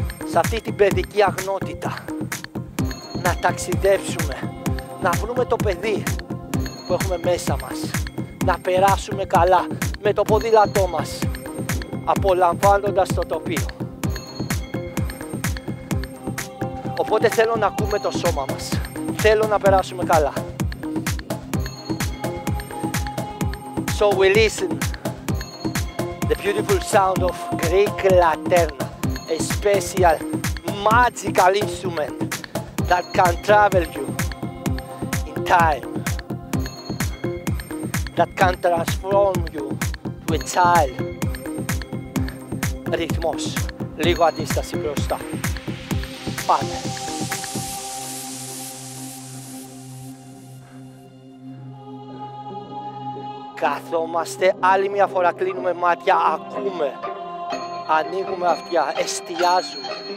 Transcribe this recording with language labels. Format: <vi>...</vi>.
<el>Σε αυτή την παιδική αγνότητα. Να ταξιδέψουμε, να βρούμε το παιδί που έχουμε μέσα μας. Να περάσουμε καλά με το ποδήλατό μας, απολαμβάνοντας το τοπίο. Οπότε θέλω να ακούμε το σώμα μας. Θέλω να περάσουμε καλά.</el> <en>So we listen the beautiful sound of Greek Laterna, a special magical instrument that can travel you in time, that can transform you to a child.</en> <el>Ρυθμός, λίγο αντίσταση μπροστά. Πάμε. Καθόμαστε, άλλη μια φορά κλείνουμε μάτια, ακούμε, ανοίγουμε αυτιά, εστιάζουμε.</el>